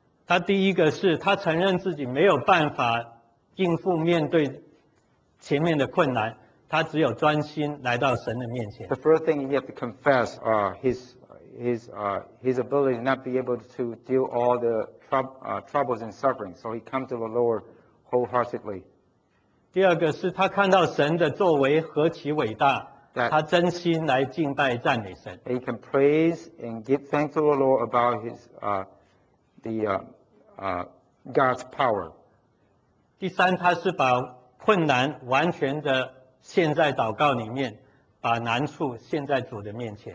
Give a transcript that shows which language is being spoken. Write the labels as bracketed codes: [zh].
[zh] 他第一个是他承认自己没有办法应付面对前面的困难。他只有专心来到神的面前。 [en] The first thing he had to confess his ability not be able to deal all the troubles and suffering. So he comes to the Lord wholeheartedly. [zh] 第二个是他看到神的作为何其伟大，他真心来敬拜赞美神。 [en] He can praise and give thanks to the Lord about God's power. [zh] 第三，他是把困难完全的现在祷告里面，把难处现在主的面前。